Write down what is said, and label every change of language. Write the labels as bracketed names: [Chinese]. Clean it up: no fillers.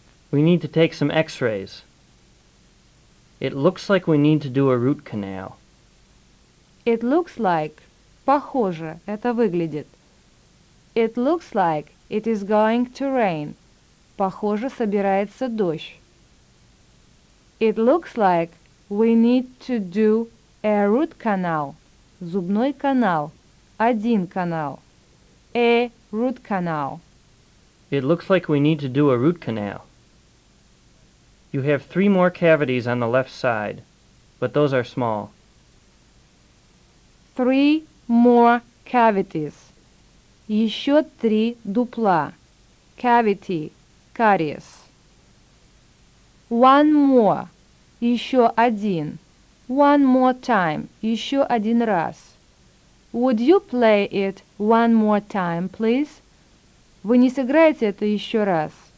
[English] We need to take some x-rays. It looks like we need to do a root canal. It looks like. [Russian] Похоже, это выглядит. [English] It looks like it is going to rain. [Russian] Похоже, собирается дождь. [English] It looks like we need to do a root canal. [Russian] Зубной канал. Один канал. [English] A root canal. It looks like we need to do a root canal. You have three more cavities on the left side, but those are small. Three more cavities. [Russian] Еще три дупла. [English] Cavity, caries. One more. [Russian] Еще один. [English] One more time. [Russian] Еще один раз. [English] Would you play it one more time, please? [Russian] Вы не сыграете это еще раз?